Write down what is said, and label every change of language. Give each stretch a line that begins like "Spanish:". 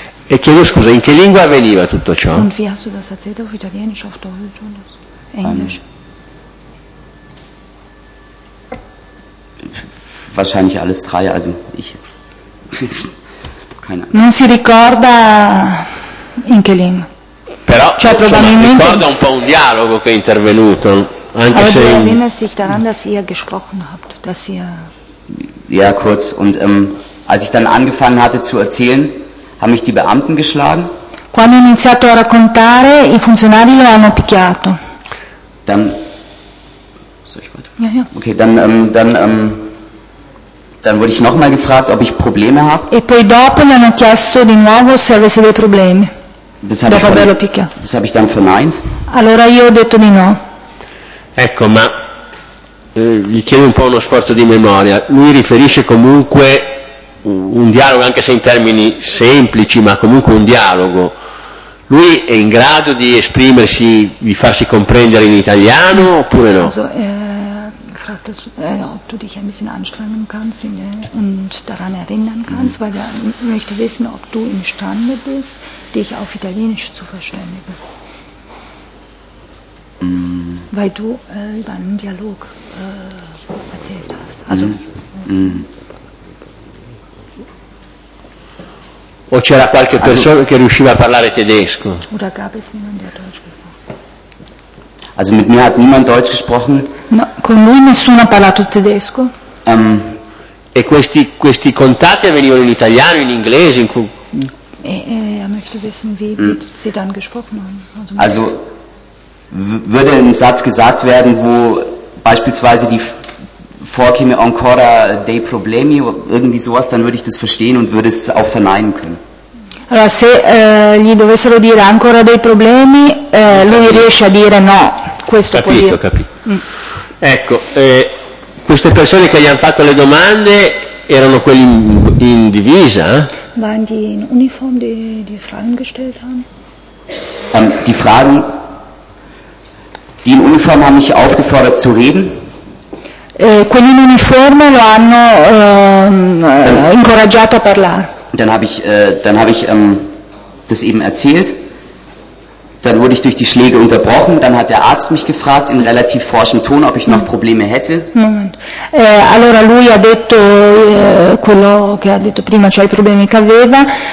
Italian: E chiedo scusa, in che lingua avveniva tutto ciò?
German: Und wie hast du das erzählt, auf Italienisch, auf Deutsch und Englisch? Wahrscheinlich alles drei, also ich jetzt. Keine Ahnung.
Italian: Non si ricorda in che lingua. Però, cioè, probabilmente ricorda un po' un dialogo che è intervenuto, anche
German: aber
Italian: se...
German: Aber du erinnerst dich daran, dass ihr gesprochen habt, dass ihr... Ja, kurz, und als ich dann angefangen hatte zu erzählen, haben mich die Beamten geschlagen?
Italian: Quando ho iniziato a raccontare, i funzionari lo hanno picchiato.
German: Dann, soll ich weiter? Ja, ja. Okay, dann wurde ich nochmal gefragt, ob ich Probleme habe.
Italian: E poi dopo mi hanno chiesto di nuovo se avessi dei problemi.
German: Das habe
Italian: dopo averlo picchiato.
German: Das habe ich dann verneint.
Italian: Allora io ho detto di no. Ecco, ma gli chiedo un po' uno sforzo di memoria. Lui riferisce comunque un dialogo, anche se in termini semplici, ma comunque un dialogo. Lui è in grado di esprimersi, di farsi comprendere in italiano oppure no?
German: Also, fragtest ob du dich ein bisschen anstrengen kannst und daran erinnern kannst, weil er möchte wissen, ob du imstande bist, dich auf Italienisch zu verständigen. Weil du deinen Dialog erzählt hast. Also,
Italian: O c'era qualche persona che riusciva a parlare tedesco?
German: Oder gab es niemand, der Deutsch gesprochen? Also mit mir hat niemand Deutsch gesprochen.
Italian: No, con lui nessuno ha parlato tedesco. E questi contatti avvenivano in italiano, in inglese, in
German: möchte wissen, wie sie dann gesprochen haben. Also würde ein Satz gesagt werden, wo beispielsweise die vorkäme
Italian: ancora dei problemi
German: irgendwie sowas, dann würde ich das verstehen und würde es auch verneinen können.
Italian: Allora, se gli dovessero dire ancora dei problemi, lui riesce a dire no, questo capito, può dire. Capito. Ecco, queste persone che gli hanno fatto le domande erano quelli in divisa?
German: Waren die in uniform, die Fragen gestellt haben? Die Fragen, die in uniform haben mich aufgefordert zu reden.
Italian: Quelli in uniforme lo hanno incoraggiato a parlare.
German: Dann habe ich das eben erzählt. Dann wurde ich durch die Schläge unterbrochen. Dann hat der Arzt mich gefragt in relativ forschem Ton, ob ich noch Probleme hätte. Moment.
Italian: Allora lui ha detto quello che ha detto prima, cioè i problemi che aveva.